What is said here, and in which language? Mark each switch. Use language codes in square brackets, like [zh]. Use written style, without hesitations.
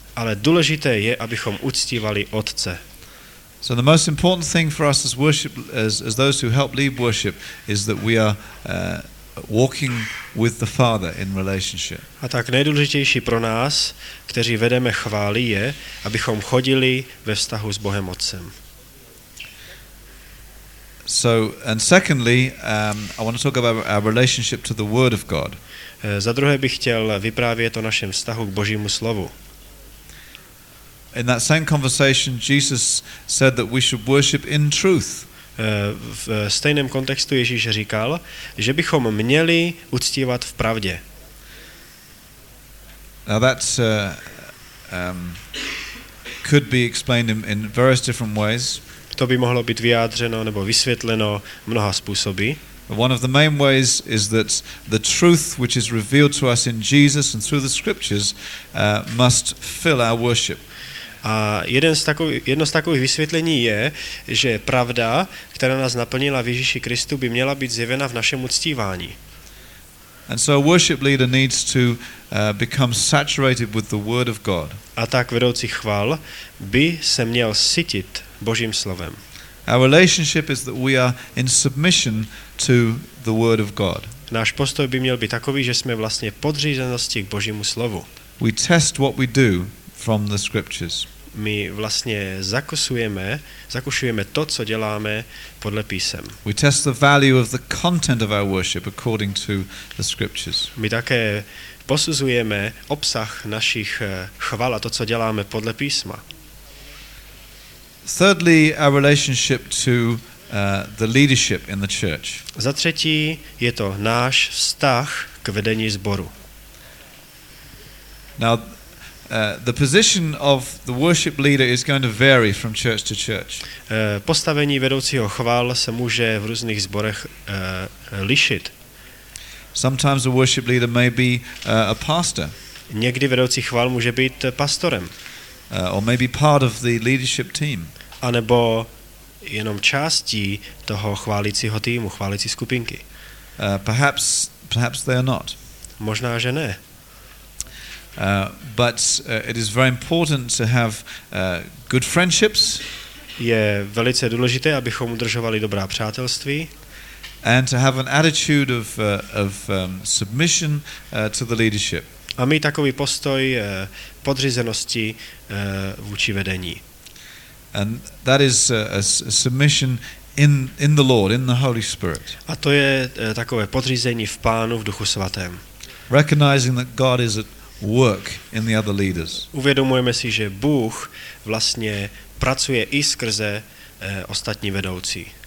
[cs] Ale důležité je, abychom uctívali Otce. [en] So the most important thing for us as those who help lead worship is that we are walking with the Father in relationship. [cs] A tak nejdůležitější pro nás, kteří vedeme chvály, je, abychom chodili ve vztahu s Bohem Otcem. [en] So and secondly, I want to talk about our relationship to the Word of God. [cs] Za druhé bych chtěl vyprávět o našem vztahu k Božímu slovu. [en] In that same conversation, Jesus said that we should worship in truth. [cs] V stejném kontextu Ježíš říkal, že bychom měli uctívat v pravdě. [en] Now that could be explained in various different ways. [cs] To by mohlo být vyjádřeno nebo vysvětleno mnoha způsoby. [en] One of the main ways is that the truth which is revealed to us in Jesus and through the scriptures must fill our worship. [cs] A jedno z takových vysvětlení je, že pravda, která nás naplnila v Ježíši Kristu, by měla být zjevena v našem uctívání. [en] And so a worship leader needs to become saturated with the word of God. [cs] A tak vedoucí chval by se měl sytit Božím slovem. [en] Our relationship is that we are in submission to the word of God. [cs] Náš postoj by měl být takový, že jsme vlastně podřízenosti k Božímu slovu. [en] We test what we do from the scriptures. [cs] My vlastně zakušujeme to, co děláme podle písem. [en] We test the value of the content of our worship according to the scriptures. [cs] My také posuzujeme obsah našich chval a to, co děláme podle písma. [en] Thirdly, our relationship to the leadership in the church. [cs] Za třetí je to náš vztah k vedení sboru. [en] Now the position of the worship leader is going to vary from church to church. [cs] Postavení vedoucího chvál se může v různých sborech lišit. [en] Sometimes a worship leader may be a pastor. [cs] Někdy vedoucí chvál může být pastorem. [en] Or maybe part of the leadership team. [cs] A nebo jenom částí toho chválícího týmu, chválící skupinky. [en] Perhaps they are not. [cs] Možná že ne. [en] But it is very important to have good friendships. [cs] Je velice důležité, abychom udržovali dobrá přátelství. [en] And to have an attitude of submission to the leadership. [cs] A mít takový postoj podřízenosti vůči vedení. [en] And that is a submission in the Lord, in the Holy Spirit. [cs] A to je takové podřízení v Pánu, v Duchu svatém. [en] Recognizing that God is at work in the other leaders. [cs] Uvědomujeme si, že Bůh vlastně pracuje i skrze ostatní vedoucí.